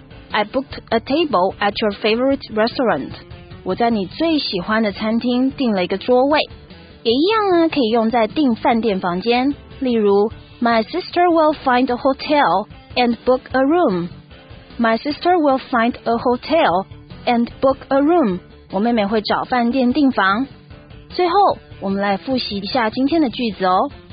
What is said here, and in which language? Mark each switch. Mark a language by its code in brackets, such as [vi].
[en] I booked a table at your favorite restaurant. [zh] 我在你最喜欢的餐厅订了一个桌位。也一样呢，可以用在订饭店房间，例如 [en] My sister will find a hotel and book a room. My sister will find a hotel and book a room. [zh] 我妹妹会找饭店订房。最后我们来复习一下今天的句子哦。